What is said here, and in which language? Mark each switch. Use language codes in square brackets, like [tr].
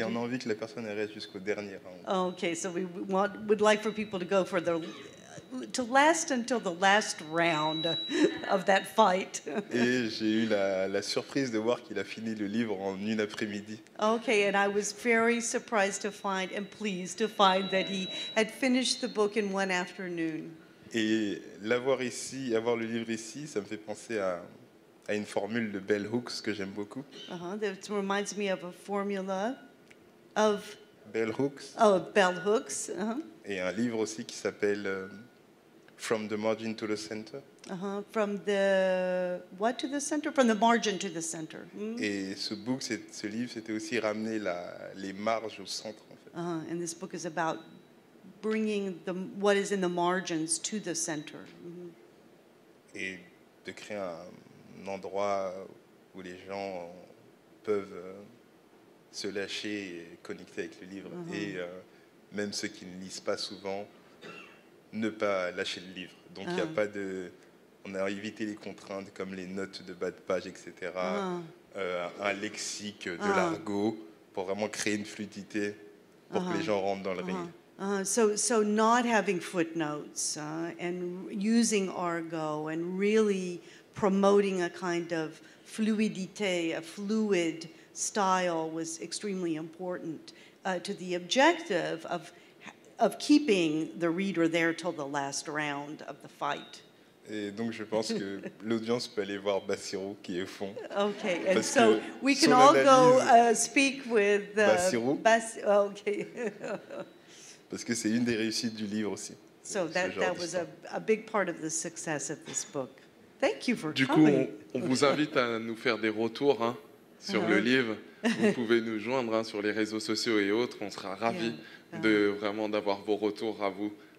[fr] Et on a envie que la personne reste jusqu'au dernier round. [en] Okay, so we would like for people to go for the to last until the last round of that fight. [fr] Et j'ai eu la surprise de voir qu'il a fini le livre en une après-midi. [en] Okay, and I was very surprised to find and pleased to find that he had finished the book in one afternoon. [fr] Et l'avoir ici, avoir le livre ici, ça me fait penser à une formule de Bell Hooks que j'aime beaucoup. [en] Uh-huh, that reminds me of a formula of Bell Hooks. Oh, Bell Hooks. Uh-huh. [fr] Et un livre aussi qui s'appelle From the Margin to the Center. [en] Uh-huh. From the what to the center? From the margin to the center. Mm-hmm. [fr] Et ce livre, c'était aussi ramener les marges au centre, en fait. Uh-huh. [en] And this book is about bringing the what is in the margins to the center. Mm-hmm. [fr] Et de créer un endroit où les gens peuvent se lâcher et connecter avec le livre. Uh-huh. Et même ceux qui ne lisent pas souvent, ne pas lâcher le livre. Donc il uh-huh. n'y a pas de... On a évité les contraintes comme les notes de bas de page, etc. Uh-huh. Un lexique de uh-huh. l'argot pour vraiment créer une fluidité pour uh-huh. que les gens rentrent dans le uh-huh. [en] ring. So not having footnotes and using argot and really promoting a kind of fluidité, a fluid style was extremely important to the objective of keeping the reader there till the last round of the fight. [fr] Et donc je pense que l'audience peut aller voir Bassirou qui est au fond. [en] Okay, and so we can all go speak with Bassirou. Okay. [fr] Parce que c'est une des réussites du livre aussi. [en] So that was a big part of the success of this book. Thank you for coming. [fr] Du coup, on vous invite à nous faire des retours hein, sur le livre. Vous pouvez nous joindre hein, sur les réseaux sociaux et autres. On sera ravis de vraiment d'avoir vos retours à vous.